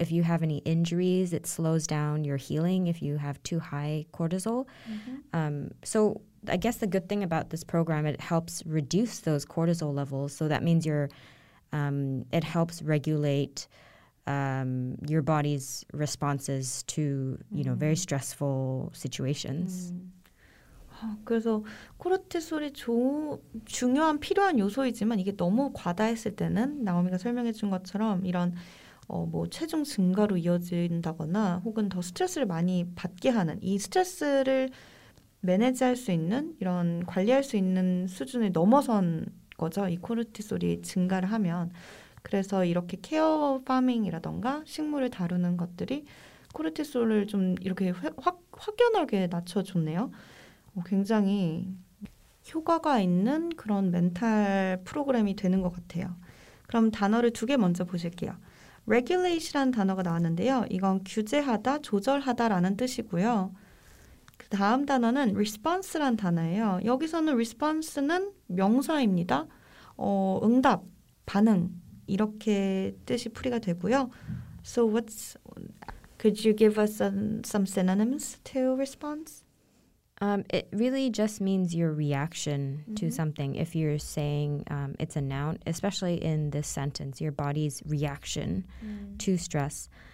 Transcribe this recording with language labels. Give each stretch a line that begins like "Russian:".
English: If you have any injuries, it slows down your healing if you have too high cortisol. Mm-hmm. So I guess the good thing about this program, it helps reduce those cortisol levels. So that means it helps regulate your body's responses to, you know, very stressful situations.
Korean: 그래서 코르티솔이 중요한 필요한 요소이지만 이게 너무 과다했을 때는 나오미가 설명해 준 것처럼 이런 뭐 체중 증가로 이어진다거나 혹은 더 스트레스를 많이 받게 하는 이 스트레스를 매니지할 수 있는 이런 관리할 수 있는 수준을 넘어선 거죠. 이 코르티솔이 증가를 하면 그래서 이렇게 케어 파밍이라던가 식물을 다루는 것들이 코르티솔을 좀 이렇게 확연하게 낮춰줬네요. 굉장히 효과가 있는 그런 멘탈 프로그램이 되는 것 같아요. 그럼 단어를 두 개 먼저 보실게요. Regulate이라는 단어가 나왔는데요. 이건 규제하다, 조절하다라는 뜻이고요. 그 다음 단어는 response라는 단어예요. 여기서는 response는 명사입니다. 응답, 반응. 이렇게 뜻이 풀이가 되고요.
English: So what's could you give us some synonyms to response? It really just means your reaction mm-hmm. to something. If you're saying it's a noun, especially in this sentence, your body's reaction to stress.